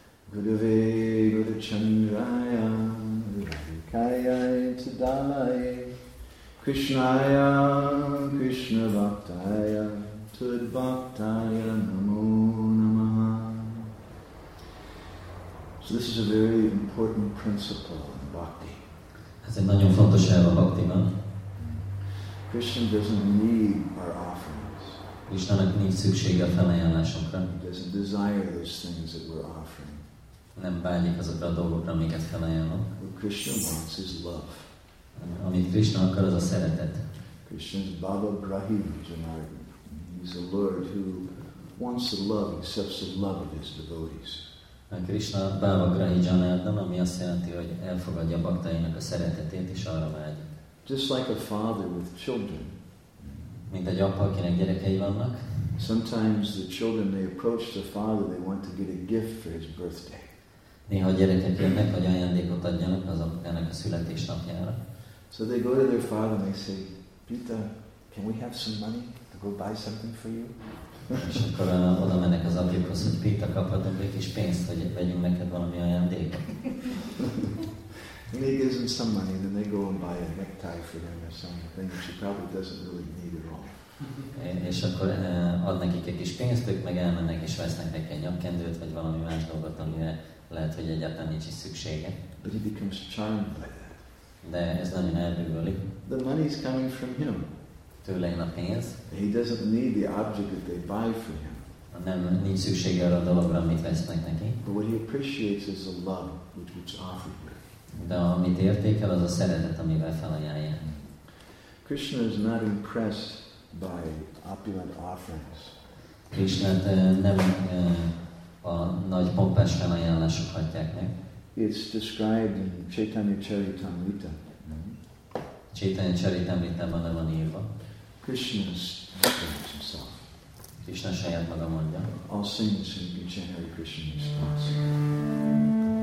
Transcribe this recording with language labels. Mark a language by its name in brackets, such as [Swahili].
[Sanskrit] Gurave Guru Chandraya Kayai Tadamai Krishnaya Krishna Bhaktaya Tud Bhaktaya Namo Namaha. [English] So this is a very important principle in bhakti. [Hungarian] Ez egy nagyon fontos elv a bhaktiban. [English] Krishna doesn't need our offerings. [Hungarian] Istennek nincs szüksége a felajánlásokra. [English] He doesn't desire those things that we're offering. [Hungarian] Nem bánik azokra a dolgokra, amiket felajánlunk. [English] What Krishna wants is love. [Hungarian] Amit Krishna akar, az a szeretet. [English] Krishna's Baba Grahi Janardhan. He's a Lord who wants the love, accepts the love of his devotees. [Hungarian] Krishna Bhava Grahi Janardhan, ami azt jelenti, hogy elfogadja a baktáinak a szeretetét, és arra vágy. [English] Just like a father with children. [Hungarian] Mint egy apa, akinek gyerekei vannak. [English] Sometimes the children, they approach the father, they want to get a gift for his birthday. [Hungarian] Néha a gyerekek jönnek, hogy ajándékot adjanak az ennek a születésnapjára. [English] So they go to their father and they say, Peter, can we have some money to go buy something for you? [Hungarian] És akkor oda mennek az apjukhoz, hogy Peter, kaphatunk egy kis pénzt, hogy vegyünk neked valami ajándékot. [English] And he gives them some money, and then they go and buy a necktie for them or something. She probably doesn't really need it all. [Hungarian] És akkor ad nekik egy kis pénzt, ők meg elmennek és vesznek neki egy nyakkendőt, vagy valami más dolgot, amire lehet, hogy egyáltalán nincs is szüksége. [English] But he becomes charmed by that. [Hungarian] De ez nagyon elbűvöli. [English] The money is coming from him. [Hungarian] Tőle jön a pénz. [English] He doesn't need the object that they buy for him. [Hungarian] Nem, nincs szüksége arra a dologra, amit vesznek neki. [English] But what he appreciates is the love which is offered. [Hungarian] De amit értékel, az a szeretet, amivel felajánlják. [English] Krishna is not impressed by opulent offerings. [Hungarian] Krishna nem a nagy pompás felajánlások hatják meg. [English] It's described in Chaitanya Charitamrita. [Hungarian] Chaitanya Charitamrita-ban le van írva. [English] Krishna describes himself. [Hungarian] Krishna saját maga mondja. [English] All saints in each and every Krishna response.